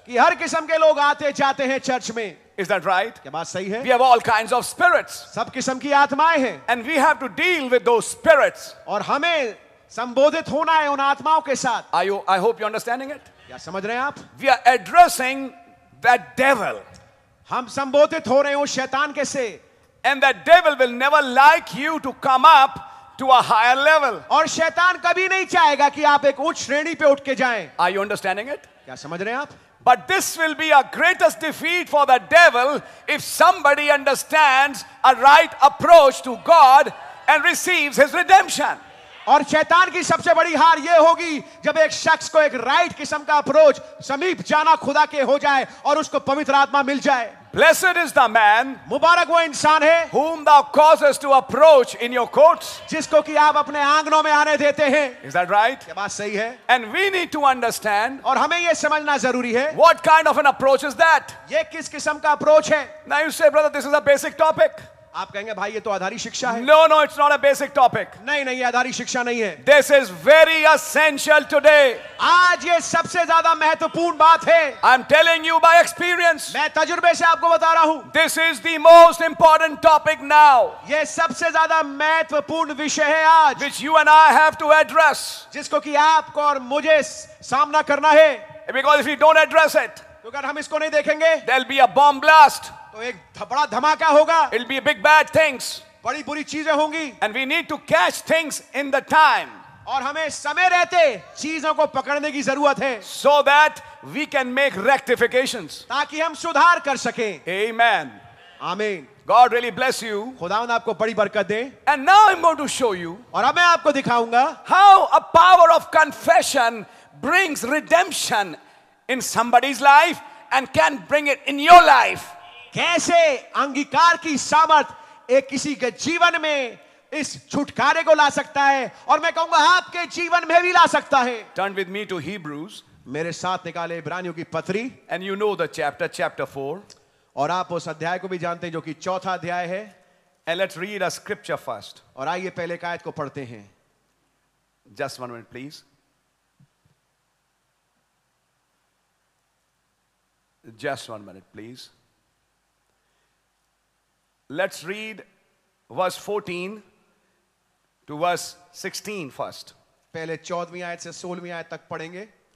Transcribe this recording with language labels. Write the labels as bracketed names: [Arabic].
[Hindi] कि हर किस्म के लोग आते जाते हैं चर्च में. [English] Is that right? [Hindi] क्या बात सही है? [English] We have all kinds of spirits. [Hindi] सब किस्म की आत्माएं हैं. [English] And we have to deal with those spirits. [Hindi] और हमें संबोधित होना है उन आत्माओं के साथ. [English] I hope you're understanding it. [Hindi] क्या समझ रहे हैं आप? [English] We are addressing that devil. [Hindi] हम संबोधित हो रहे हो शैतान के से. [English] And that devil will never like you to come up to a higher level. [Hindi] और शैतान कभी नहीं चाहेगा कि आप एक उच्च श्रेणी पे उठ के जाएं. [English] Are you understanding it? [Hindi] क्या समझ रहे हैं आप? [English] But this will be a greatest defeat for the devil if somebody understands a right approach to God and receives his redemption. [Hindi] और शैतान की सबसे बड़ी हार ये होगी जब एक शख्स को एक राइट किस्म का अप्रोच समीप जाना खुदा के हो जाए और उसको पवित्र आत्मा मिल जाए. [English] Blessed is the man, [Hindi] मुबारक वो इंसान है, [English] whom thou causes to approach in your courts, [Hindi] जिसको कि आप अपने आंगनों में आने देते हैं. [English] Is that right? [Hindi] क्या बात सही है? [English] And we need to understand, [Hindi] और हमें ये समझना जरूरी है, [English] what kind of an approach is that? [Hindi] ये किस किस्म का अप्रोच है? [English] Now you say, brother, this is a basic topic. [Hindi] आप कहेंगे भाई ये तो आधारी शिक्षा है. [English] No, no, it's not a basic topic. [Hindi] नहीं नहीं आधारी शिक्षा नहीं है. [English] This is very essential today. [Hindi] आज ये सबसे ज्यादा महत्वपूर्ण बात है. [English] I'm telling you by experience. [Hindi] मैं तजुर्बे से आपको बता रहा हूँ. [English] This is the most important topic now. [Hindi] ये सबसे ज्यादा महत्वपूर्ण विषय है आज. [English] Which you and I have to address. [Hindi] जिसको कि आपको और मुझे सामना करना है. [English] Because if we don't address it, [Hindi] तो अगर हम इसको नहीं देखेंगे, [English] there'll be a bomb blast. [Hindi] तो एक बड़ा धमाका होगा. [English] It'll be big bad things. [Hindi] बड़ी बुरी चीजें होंगी. [English] And we need to catch things in the time. [Hindi] और हमें समय रहते चीजों को पकड़ने की जरूरत है. [English] So that we can make rectifications. [Hindi] ताकि हम सुधार कर सकें. [English] Amen. Amen. God really bless you. [Hindi] खुदावन आपको बड़ी बरकत दे. [English] And now I'm going to show you. [Hindi] और अब मैं आपको दिखाऊंगा. [English] How a power of confession brings redemption in somebody's life and can bring it in your life. [Hindi] कैसे अंगीकार की सामर्थ एक किसी के जीवन में इस छुटकारे को ला सकता है और मैं कहूंगा आपके जीवन में भी ला सकता है. [English] Turn with me to Hebrews. [Hindi] मेरे साथ निकाले इब्रानियों की पत्री. [English] And you know the chapter, chapter 4. [Hindi] और आप उस अध्याय को भी जानते हैं जो कि चौथा अध्याय है. [English] And let's read a scripture first. [Hindi] और आइए पहले कायद को पढ़ते हैं. [English] Just one minute, please. Just one minute, please. Let's read verse 14 to verse 16 first. [Hindi] पहले 14वीं आयत से 16वीं आयत तक पढ़ेंगे.